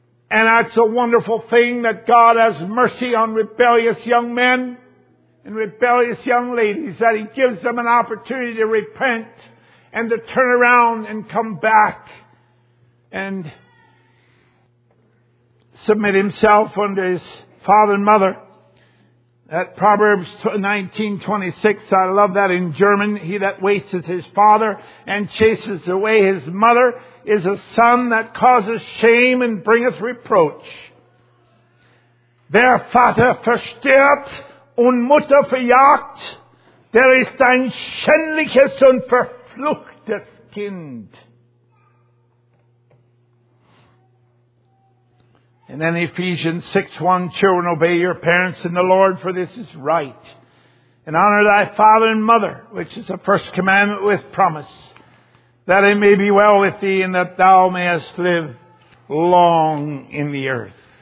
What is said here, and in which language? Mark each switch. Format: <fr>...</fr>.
<en>And that's a wonderful thing that God has mercy on rebellious young men and rebellious young ladies, that He gives them an opportunity to repent and to turn around and come back and submit himself unto his father and mother. At Proverbs 19:26, I love that in German, he that wastes his father and chases away his mother is a son that causes shame and bringeth reproach.</en> <de>Der Vater verstört und Mutter verjagt, der ist ein schändliches und verfluchtes Kind.</de> <en>And then Ephesians 6:1, children, obey your parents in the Lord, for this is right. And honor thy father and mother, which is the first commandment with promise, that it may be well with thee and that thou mayest live long in the earth.</en>